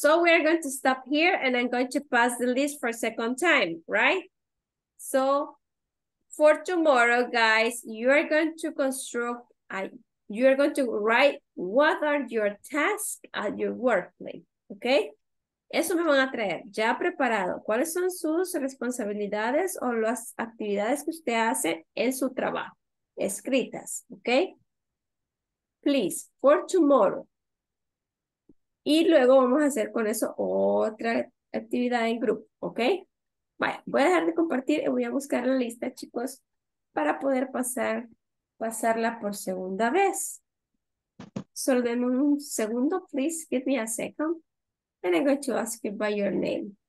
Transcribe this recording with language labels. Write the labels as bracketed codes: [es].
[en] So we are going to stop here and I'm going to pass the list for a second time, right? So for tomorrow, guys, you are going to construct, you are going to write what are your tasks at your workplace, okay? [es] Eso me van a traer, ya preparado. ¿Cuáles son sus responsabilidades o las actividades que usted hace en su trabajo? Escritas, [en] okay? Please, for tomorrow. [es] Y luego vamos a hacer con eso otra actividad en grupo, okay? Vaya, voy a dejar de compartir y voy a buscar la lista, chicos, para poder pasarla por segunda vez. Solo denme un segundo, please, [en] give me a second. And I'm going to ask you by your name.